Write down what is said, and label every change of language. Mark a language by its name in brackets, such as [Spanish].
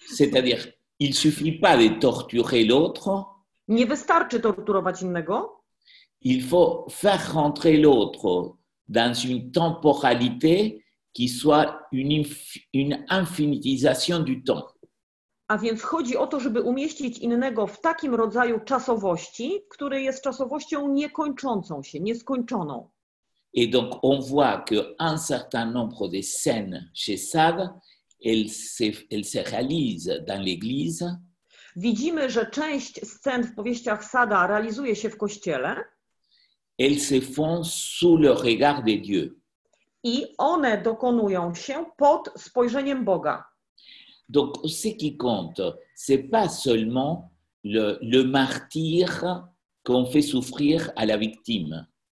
[French] C'est-à-dire, il suffit pas de torturer l'autre. [Polish] Nie wystarczy torturować innego. [French] Il faut faire rentrer l'autre dans une temporalité qui soit une infinitisation du temps. [Polish] A więc chodzi o to, żeby umieścić innego w takim rodzaju czasowości, który jest czasowością niekończącą się, nieskończoną. [French] Et donc on voit que un certain nombre de scènes chez Sade, elle se réalise dans l'église. [Polish] Widzimy, że część scen w powieściach Sada realizuje się w kościele. [French] Elles se font sous le regard de Dieu. [Polish] I one dokonują się pod spojrzeniem Boga. [French] Donc ce qui compte, c'est pas seulement le martyr qu'on fait souffrir à la victime.